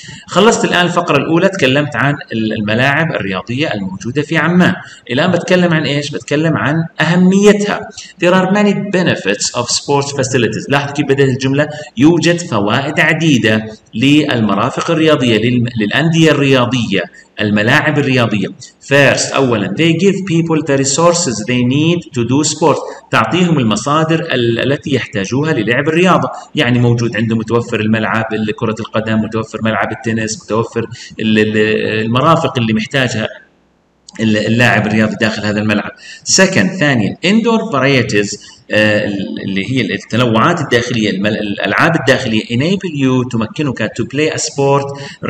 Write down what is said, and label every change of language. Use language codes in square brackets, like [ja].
[ar] خلصت الآن الفقرة الأولى، تكلمت عن الملاعب الرياضية الموجودة في عمان. الآن بتكلم عن إيش؟ بتكلم عن أهميتها. [en] There are many benefits of sports facilities. [ar] لاحظ كيف بدأت الجملة، يوجد فوائد عديدة للمرافق الرياضية للأندية الرياضية الملاعب الرياضية. [en] First, أولا, they give people the resources they need to do sports. [ar] تعطيهم المصادر التي يحتاجوها للعب الرياضة. يعني موجود عندهم متوفر الملعب لكرة القدم، متوفر ملعب التنس، متوفر المرافق اللي محتاجها اللاعب الرياضي داخل هذا الملعب. [en] Second, ثانيا, indoor varieties [ar] اللي هي التنوعات الداخليه، الالعاب الداخليه [en] enable you [ar] تمكنك [en] to play a sport rain.